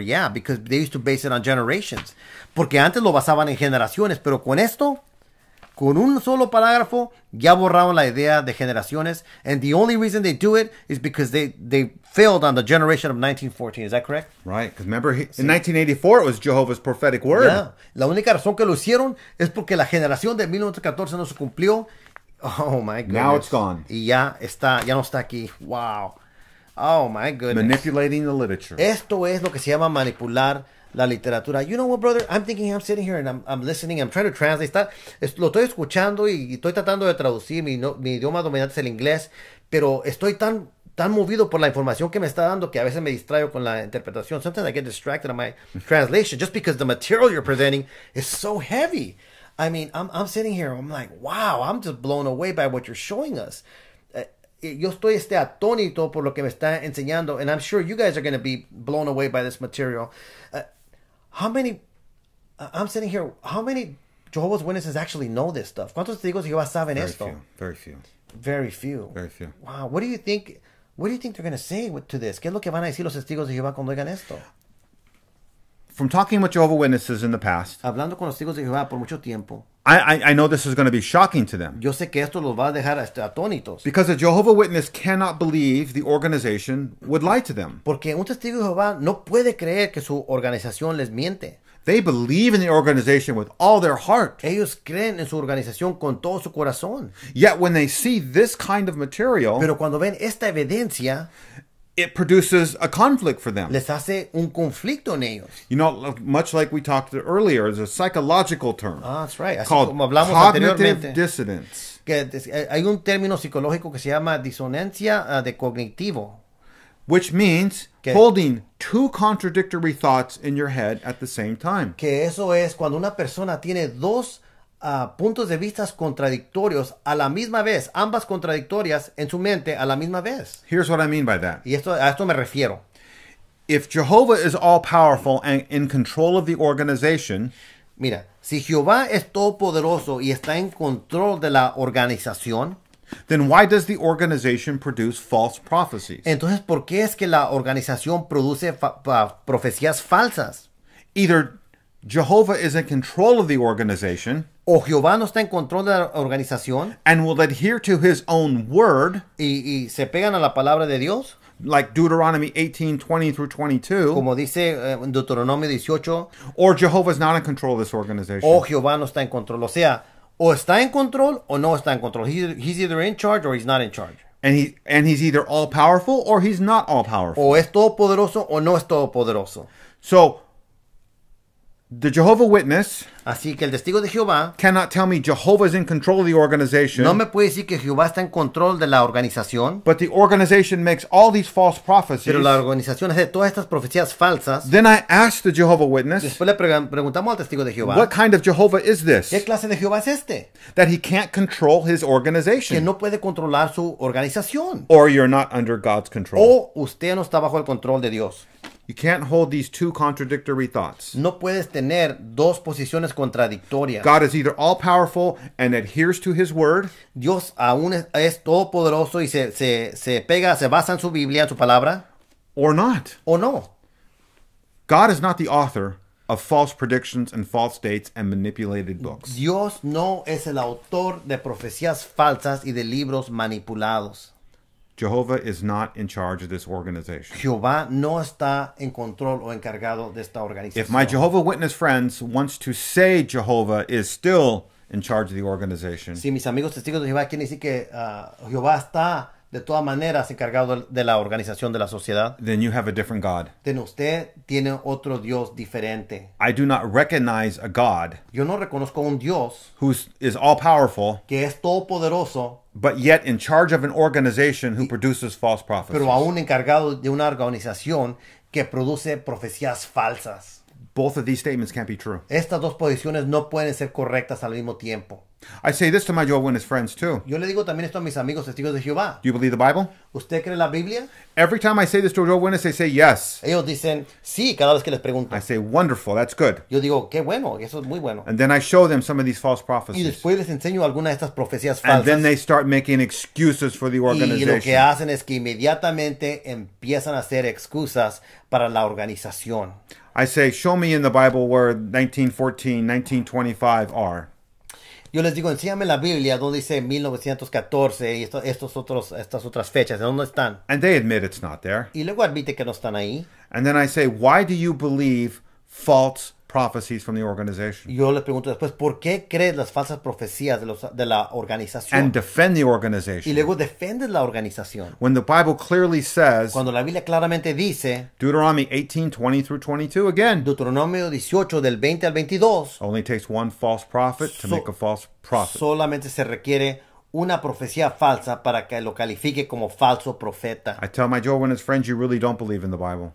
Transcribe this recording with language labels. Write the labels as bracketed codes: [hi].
[en] Yeah, because they used to base it on generations. [es] Porque antes lo basaban en generaciones, pero con esto... Con un solo parágrafo, ya borraron la idea de generaciones. [en] And the only reason they do it is because they failed on the generation of 1914. Is that correct? Right. Because remember, sí. In 1984, it was Jehovah's prophetic word. Yeah. [es] La única razón que lo hicieron es porque la generación de 1914 no se cumplió. [en] Oh, my goodness. Now it's gone. [es] Y ya está, ya no está aquí. [en] Wow. Oh, my goodness. Manipulating the literature. [es] Esto es lo que se llama manipular la literatura. [en] You know what, brother? I'm thinking, I'm sitting here and I'm listening, I'm trying to translate. [es] Está, es, lo estoy escuchando y estoy tratando de traducir. Mi, no, mi idioma dominante es el inglés, pero estoy tan, tan movido por la información que me está dando que a veces me distraigo con la interpretación. [en] Sometimes I get distracted on my translation just because the material you're presenting is so heavy. I mean, I'm sitting here, I'm like, wow, I'm just blown away by what you're showing us. [es] Yo estoy este atónito por lo que me está enseñando, [en] and I'm sure you guys are going to be blown away by this material. How many Jehovah's Witnesses actually know this stuff? [es] ¿Cuántos testigos de Jehová saben [en] very [es] esto? [en] Few, very few. Very few. Very few. Wow. What do you think they're going to say to this? [es] ¿Qué es lo que van a decir los testigos de Jehová cuando oigan esto? [en] From talking with Jehovah's Witnesses in the past, [es] hablando con los testigos de Jehová por mucho tiempo, [en] I know this is going to be shocking to them. [es] Yo sé que esto los va a dejar atónitos. [en] Because a Jehovah Witness cannot believe the organization would lie to them. [es] Porque un testigo de Jehová no puede creer que su organización les miente. [en] They believe in the organization with all their heart. [es] Ellos creen en su organización con todo su corazón. [en] Yet when they see this kind of material, [es] pero cuando ven esta evidencia, [en] it produces a conflict for them. [es] Les hace un conflicto en ellos. [en] You know, much like we talked earlier, there's a psychological term. Ah, that's right. [es] Así [en] called [es] como hablamos [en] cognitive [es] anteriormente, [en] dissonance. [es] Que hay un término psicológico que se llama disonancia de cognitivo. [en] Which means que, holding two contradictory thoughts in your head at the same time. [es] Que eso es cuando una persona tiene dos puntos de vistas contradictorios a la misma vez, ambas contradictorias en su mente a la misma vez. [en] Here's what I mean by that. [es] Y esto, a esto me refiero. [en] If Jehovah is all powerful and in control of the organization, [es] mira, si Jehová es todopoderoso y está en control de la organización, [en] then why does the organization produce false prophecies? [es] Entonces, ¿por qué es que la organización produce profecías falsas? [en] Either Jehovah is in control of the organization, [es] o Jehová no está en control de la organización, [en] and will adhere to his own word, [es] y se pegan a la palabra de Dios, [en] like Deuteronomy 18, 20 through 22, [es] como dice Deuteronomio 18, [en] or Jehovah is not in control of this organization. [es] O Jehová no está en control. O sea, o está en control o no está en control. [en] He's either in charge or he's not in charge. And he's either all powerful or he's not all powerful. [es] O es todopoderoso o no es todopoderoso. [en] So, the Jehovah Witness, [es] así que el testigo de Jehová, [en] cannot tell me Jehovah is in control of the organization. [es] No me puede decir que Jehová está en control de la organización. [en] But the organization makes all these false prophecies. [es] Pero la organización hace todas estas profecías falsas. [en] Then I ask the Jehovah Witness. [es] Después le preguntamos al testigo de Jehová. [en] What kind of Jehovah is this? [es] ¿Qué clase de Jehová es este? [en] That he can't control his organization. [es] Que no puede controlar su organización. [en] Or you're not under God's control. [es] O usted no está bajo el control de Dios. [en] You can't hold these two contradictory thoughts. [es] No puedes tener dos posiciones contradictorias. [en] God is either all powerful and adheres to his word. [es] Dios aún es todopoderoso y se pega, se basa en su Biblia, en su palabra. [en] Or not. [es] O no. [en] God is not the author of false predictions and false dates and manipulated books. [es] Dios no es el autor de profecías falsas y de libros manipulados. [en] Jehovah is not in charge of this organization. [es] Jehová no está en control o encargado de esta organización. [en] If my Jehovah Witness friends wants to say Jehovah is still in charge of the organization. [es] Si mis amigos testigos de Jehová quieren decir que Jehová está de todas maneras encargado de la organización de la sociedad. [en] Then you have a different God. [es] Then usted tiene otro Dios diferente. [en] I do not recognize a God. [es] Yo no reconozco un Dios. [en] Who is all powerful. [es] Que es todopoderoso. [en] But yet in charge of an organization who produces false prophecies. [es] Pero aún encargado de una organización que produce profecías falsas. [en] Both of these statements can't be true. [es] Estas dos posiciones no pueden ser correctas al mismo tiempo. [en] I say this to my Jehovah Witness friends too. [es] Yo le digo también esto a mis amigos testigos de Jehová. [en] Do you believe the Bible? [es] ¿Usted cree la Biblia? [en] Every time I say this to a Jehovah Witness, they say yes. [es] Ellos dicen sí cada vez que les pregunto. [en] I say wonderful, that's good. [es] Yo digo qué bueno, eso es muy bueno. [en] And then I show them some of these false prophecies. [es] Y después les enseño algunas de estas profecías falsas. [en] And then they start making excuses for the organization. [es] Y lo que hacen es que inmediatamente empiezan a hacer excusas para la organización. [en] I say, show me in the Bible where 1914, 1925 are. [es] Yo les digo, enséñame la Biblia donde dice 1914 y estas otras fechas. ¿De dónde están? [en] And they admit it's not there. [es] Y luego admite que no están ahí. [en] And then I say, why do you believe false prophecies from the organization? [es] Yo les pregunto después, ¿por qué crees las falsas profecías de la organización? [en] And defend the organization. [es] Y luego defiendes la organización. [en] When the Bible clearly says, [es] cuando la Biblia claramente dice, [en] Deuteronomy 18, 20 through 22, again, [es] Deuteronomio 18, del 20 al 22, [en] only takes one false prophet to make a false prophet. [es] Solamente se requiere una profecía falsa para que lo califique como falso profeta. [en] I tell my Jehovah Witness friends, you really don't believe in the Bible.